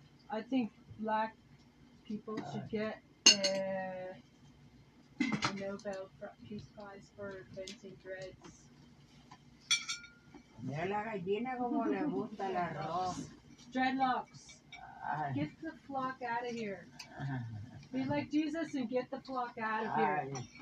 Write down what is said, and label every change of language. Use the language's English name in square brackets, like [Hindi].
[English] I think black people should get a Nobel Peace Prize for inventing dreads. [Spanish] Mira la gallina como le gusta el arroz. [English] Dreadlocks. Get the flock out of here. Be like Jesus and get the flock out of here.